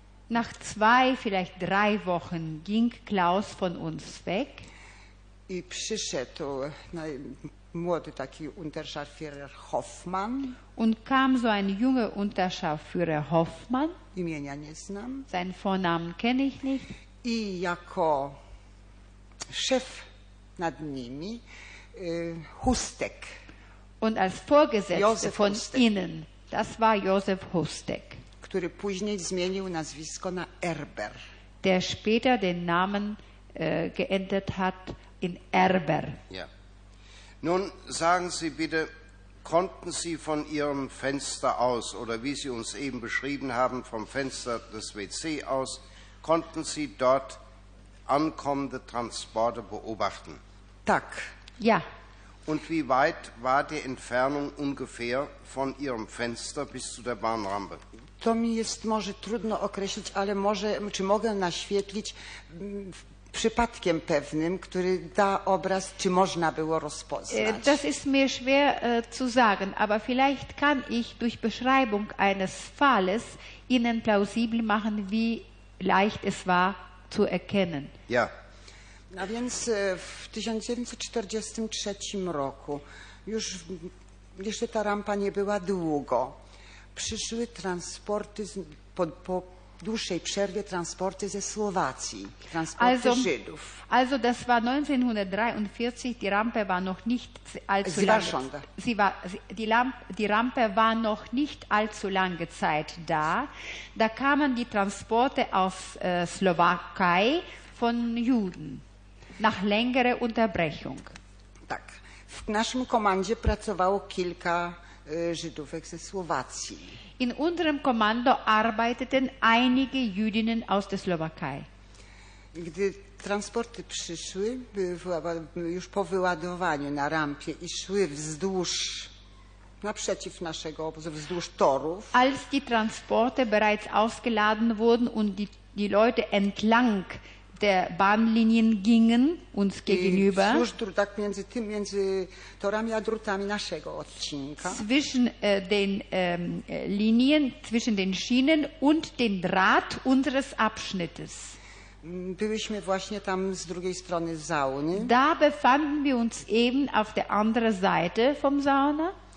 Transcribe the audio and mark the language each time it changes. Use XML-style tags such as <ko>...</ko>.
<de>Nach zwei, vielleicht drei Wochen ging Klaus von uns weg.</de> <pl>I przyszedł młody taki Unterscharführer Hoffmann.</pl> <de>Und kam so ein junger Unterscharführer Hoffmann.</de> <pl>Imienia nie znam.</pl> <de>Seinen Vornamen kenne ich nicht.</de> <pl>I jako Chef nad nimi, Hustek.</pl> <de>Und als Vorgesetzter Josef von Hustek. Ihnen, das war Josef Hustek,</de> <pl>który później zmienił nazwisko na Erber.</pl> <de>Der später den Namen geändert hat in Erber. Ja. Nun sagen Sie bitte, konnten Sie von Ihrem Fenster aus, oder wie Sie uns eben beschrieben haben, vom Fenster des WC aus, konnten Sie dort ankommende Transporte beobachten?</de> <pl>Tak.</pl> <de>Ja. Und wie weit war die Entfernung ungefähr von Ihrem Fenster bis zu der Bahnrampe?</de> <pl>To mi jest może trudno określić, ale może, czy mogę naświetlić przypadkiem pewnym, który da obraz, czy można było rozpoznać.</pl> <de>Das ist mir schwer zu sagen, aber vielleicht kann ich durch Beschreibung eines Falles Ihnen plausibel machen, wie leicht es war, zu erkennen. Ja.</de> <pl>A więc w 1943 roku już jeszcze ta rampa nie była długo. Przyszły transporty po dłuższej przerwie transporty ze Słowacji, transporty also, Żydów.</pl> <de>Also das war 1943, die Rampe war noch nicht allzu lange. Die Rampe war noch nicht allzu lange Zeit da. Da kamen die Transporte aus Slowakei von Juden nach längerer Unterbrechung.</de> <pl>Tak. W naszym komandzie pracowało kilka Żydówek ze Słowacji.</pl> <de>In unserem Kommando arbeiteten einige Jüdinnen aus der Slowakei.</de> <pl>Gdy transporty przyszły, były już po wyładowaniu na rampie i szły wzdłuż, naprzeciw naszego obozu, wzdłuż torów.</pl> <de>Als die Transporte bereits ausgeladen wurden und die Leute entlang der Bahnlinien gingen uns gegenüber.</de> <pl>Między torami a drutami naszego odcinka.</pl> <de>Zwischen den Linien, zwischen den Schienen und den Draht unseres Abschnittes.</de> <pl>Byłyśmy właśnie tam z drugiej strony sauny.</pl> <de>Da befanden wir uns eben auf der anderen Seite vom Sauna.</de>